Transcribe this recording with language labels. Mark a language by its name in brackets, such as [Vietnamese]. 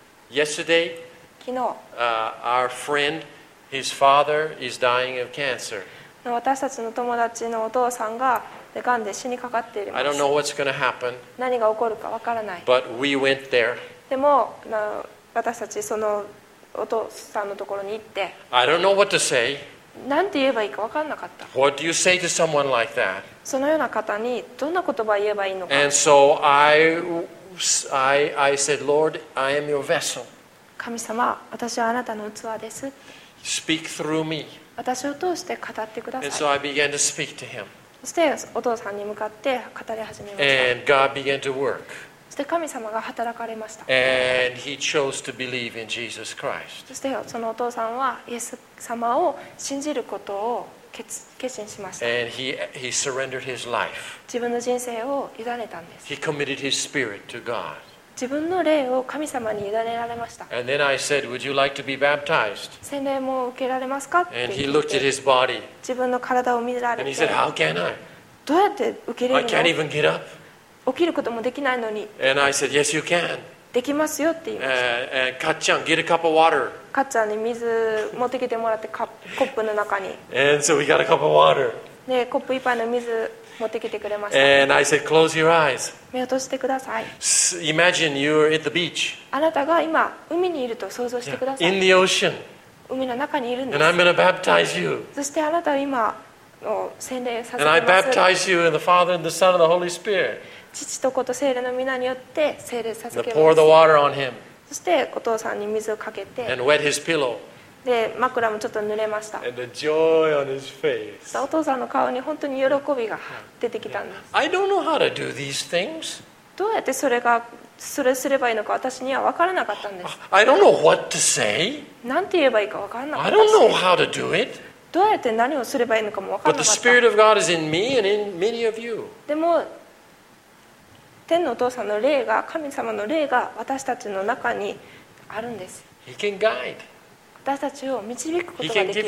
[English] Yesterday, [Japanese] 昨日、 [English] our friend, his father is dying of cancer. [Japanese] 私たちの友達のお父さんががんで死にかかっています。 [English] I don't know what's going to happen. [Japanese] 何が起こるかわからない。 [English] But we went there. [Japanese] でも私たちそのお父さんのところに行って。 [English] I don't know what to say. [Japanese] 何て言えばいいか分からなかった。 [English] What do you say to someone like that? [Japanese] そのような方にどんな言葉を言えばいいのか。 [English] And so I said, Lord, I am your vessel. [Japanese] 神様、私はあなたの器です。 [English] Speak through me. [Japanese] 私を通して語ってください。 [English] And so I began to speak to him. [Japanese] そしてお父さんに向かって語り始めました。 [English] And God began to work. [Japanese] そして神様が働かれました。 [English] And he chose to believe in Jesus Christ. [Japanese] そしてそのお父さんはイエス様を信じることを決心しました。 [English] And he surrendered his life. [Japanese] 自分の人生を委ねたんです。 [English] He committed his spirit to God. [Japanese] 自分の霊を神様に委ねられました。 [English] And then I said, "Would you like to be baptized?" [Japanese] 洗礼も受けられますか？って [English] And he looked at his body. [Japanese] 自分の体を見られて。 [English] And he said, "How can I?" [Japanese] どうやって受けれるの [English] ？I can't even get up. [Japanese] 起きることもできないのに。 [English] And I said, yes, you can. [Japanese] できますよって言いました。 [English] And かっちゃん、get a cup of water. [Japanese] かっちゃんに水持ってきてもらって、コップの中に。 [English] And so we got a cup of water. [Japanese] で、コップ一杯の水持ってきてくれました。 [English] And I said, close your eyes. [Japanese] 目を閉じてください。 [English] Imagine you're at the beach. [Japanese] あなたが今、海にいると想像してください。 [English] In the ocean. [Japanese] 海の中にいるんです。 [English] And I'm going to baptize you. [Japanese] そしてあなたは今、洗礼させます。 [English] And I baptize you in the Father and the Son and the Holy Spirit. [Japanese] 父と子と聖霊の御名によって聖霊させけます。そしてお父さんに水をかけて、 [English] and wet his pillow. [Japanese] で枕もちょっと濡れました。 [English] And the joy on his face. [Japanese] お父さんの顔に本当に喜びが出てきたんです。 [English] Yeah. I don't know how to do these things. [Japanese] どうやってそれすればいいのか私には分からなかったんです。 [English] I don't know what to say. [Japanese] 何て言えばいいか分からなかった。 [English] I don't know how to do it. [Japanese] どうやって何をすればいいのかも分からなかった。 [English] But the Spirit of God is in me and in many of you. [Japanese] でも天のお父さんの霊が、神様の霊が私たちの中にあるんです。 [English] He can guide. [Japanese] 私たちを導くことができる。